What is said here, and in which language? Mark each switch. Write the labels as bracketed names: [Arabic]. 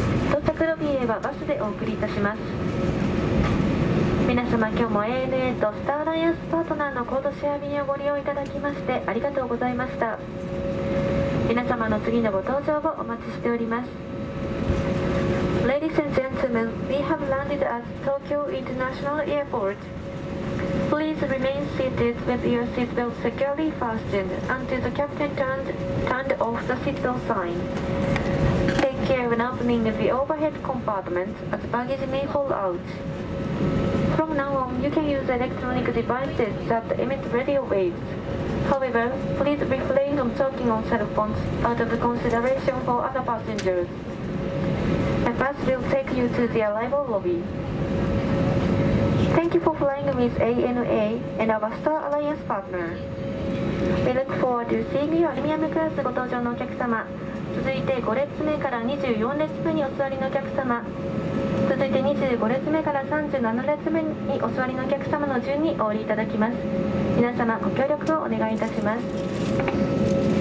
[Japanese] 到着ロビーへはバスでお送りいたします。皆様、今日も ANA とスターアライアンスパートナーのコードシェア便をご利用いただきましてありがとうございました。皆様の次のご搭乗をお待ちしております。 [English] Ladies and gentlemen, we have landed at Tokyo International Airport. Please remain seated with your seatbelt securely fastened until the captain turned off the seatbelt sign. Take care when opening the overhead compartment as baggage may fall outFrom now on, you can use electronic devices that emit radio waves. However, please refrain from talking on cell phones out of consideration for other passengers. The bus will take you to the arrival lobby. Thank you for flying with ANA and our Star Alliance partner. We look forward to seeing you on premium class [Japanese] ご搭乗のお客様。続いて5列目から24列目にお座りのお客様。続いて25列目から37列目にお座りのお客様の順にお降りいただきます。皆様ご協力をお願いいたします。